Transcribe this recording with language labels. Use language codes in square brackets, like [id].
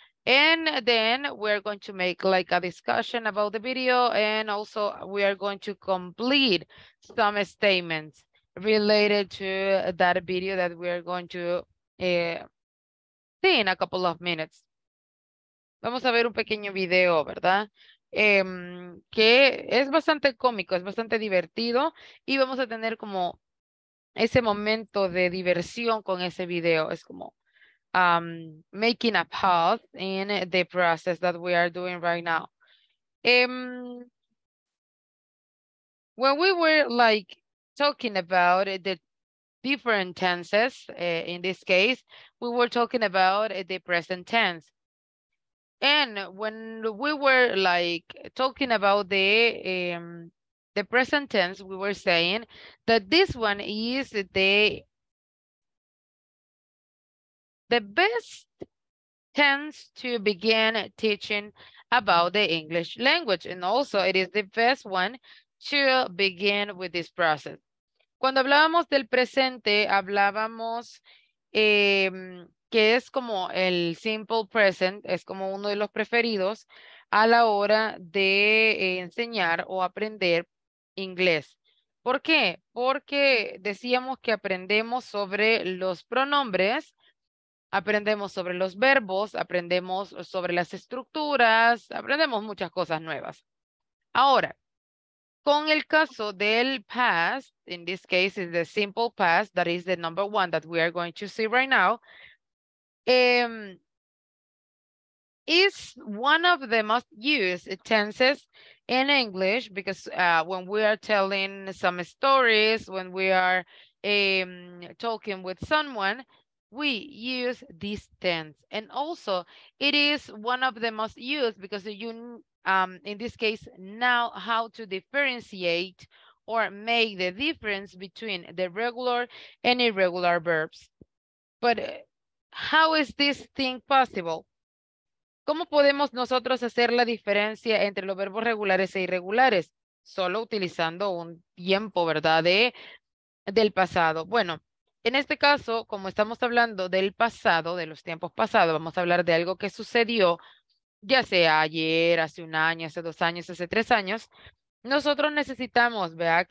[en] And then we're going to make like a discussion about the video. And also we are going to complete some statements related to that video that we are going to see in a couple of minutes. [es] Vamos a ver un pequeño video, ¿verdad? Que es bastante cómico, es bastante divertido y vamos a tener como ese momento de diversión con ese video. Es como [en] making a pause in the process that we are doing right now. When we were like talking about the different tenses, in this case, we were talking about the present tense. And when we were like talking about the present tense, we were saying that this one is the best tense to begin teaching about the English language. And also it is the best one to begin with this process. [es] Cuando hablábamos del presente, hablábamos que es como el simple present, es como uno de los preferidos a la hora de enseñar o aprender inglés. ¿Por qué? Porque decíamos que aprendemos sobre los pronombres, aprendemos sobre los verbos, aprendemos sobre las estructuras, aprendemos muchas cosas nuevas. Ahora, con el caso del [en] past, in this case is the simple past, that is the number one that we are going to see right now, is one of the most used tenses in English because when we are telling some stories, when we are talking with someone, we use this tense. And also it is one of the most used because you, in this case, now how to differentiate or make the difference between the regular and irregular verbs. But how is this thing possible? [es] ¿Cómo podemos nosotros hacer la diferencia entre los verbos regulares e irregulares? Solo utilizando un tiempo, ¿verdad? Del pasado. Bueno, en este caso, como estamos hablando del pasado, de los tiempos pasados, vamos a hablar de algo que sucedió, ya sea ayer, hace un año, hace dos años, hace tres años, nosotros necesitamos, ¿verdad?